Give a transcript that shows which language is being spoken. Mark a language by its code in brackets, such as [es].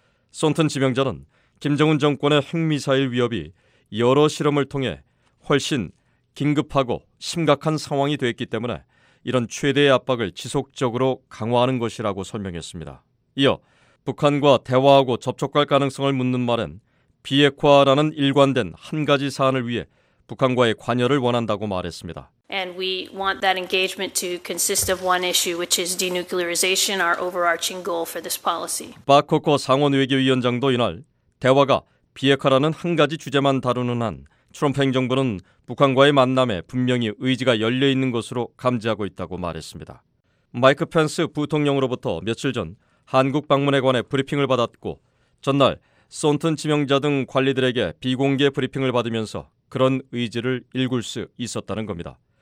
[ko] 손튼 지명자는 김정은 정권의 핵미사일 위협이 여러 실험을 통해 훨씬 긴급하고 심각한 상황이 됐기 때문에 이런 최대의 압박을 지속적으로 강화하는 것이라고 설명했습니다. 이어 북한과 대화하고 접촉할 가능성을 묻는 말은 비핵화라는 일관된 한 가지 사안을 위해 북한과의 관여를 원한다고 말했습니다. [en] And we want that engagement to consist of one issue, which is denuclearization, our overarching goal for this policy. [ko] 바코코 상원 외교위원장도 이날 대화가 비핵화라는 한 가지 주제만 다루는 한 트럼프 행정부는 북한과의 만남에 분명히 의지가 열려 있는 것으로 감지하고 있다고 말했습니다. 마이크 펜스 부통령으로부터 며칠 전 한국 방문에 관해 브리핑을 받았고 전날 손튼 지명자 등 관리들에게 비공개 브리핑을 받으면서 그런 의지를 일굴 수 있었다는 겁니다.